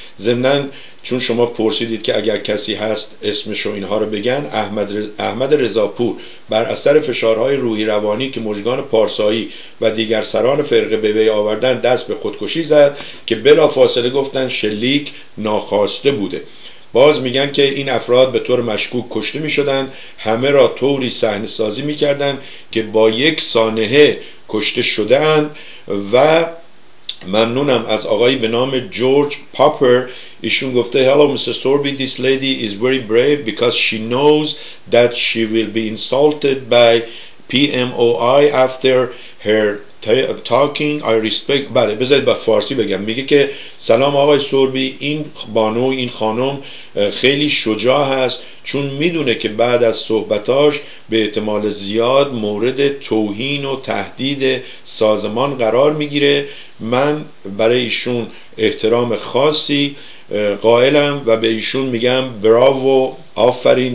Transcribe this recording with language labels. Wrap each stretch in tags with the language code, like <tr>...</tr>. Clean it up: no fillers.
<fa>ضمناً چون شما پرسیدید که اگر کسی هست اسمش رو اینها رو بگن، احمد رضاپور بر اثر فشارهای روحی روانی که مژگان پارسایی و دیگر سران فرقه به وی آوردن دست به خودکشی زد، که بلافاصله گفتن شلیک ناخواسته بوده. باز میگن که این افراد به طور مشکوک کشته میشدن، همه را طوری صحنه سازی میکردن که با یک سانحه کشته شده اند. و ممنونم از آقایی به نام جورج پاپر. ایشون گفته</fa> <en>Hello Mr. Sorby, this lady is very brave because she knows that she will be insulted by PMOI after her talking. I respect.</en> <fa>بله، بذارید با فارسی بگم. میگه که سلام آقای سوربی، این بانو، این خانم خیلی شجاع هست، چون میدونه که بعد از صحبتاش به احتمال زیاد مورد توهین و تهدید سازمان قرار میگیره. من برای ایشون احترام خاصی قائلم و به ایشون میگم براوو، آفرین.</fa>